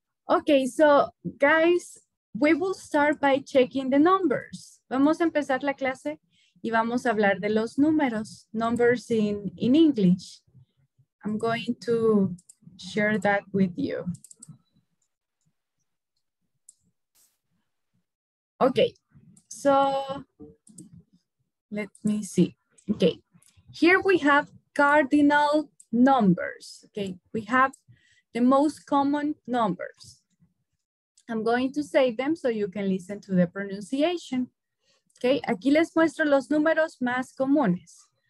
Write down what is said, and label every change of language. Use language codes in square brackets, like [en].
[en] Okay, so guys, we will start by checking the numbers. [es] Vamos a empezar la clase y vamos a hablar de los números, [en] numbers in English. I'm going to share that with you. Okay, so let me see. Okay, here we have cardinal numbers. Okay, we have the most common numbers. I'm going to say them so you can listen to the pronunciation. [es] Okay, aquí les muestro los números más comunes.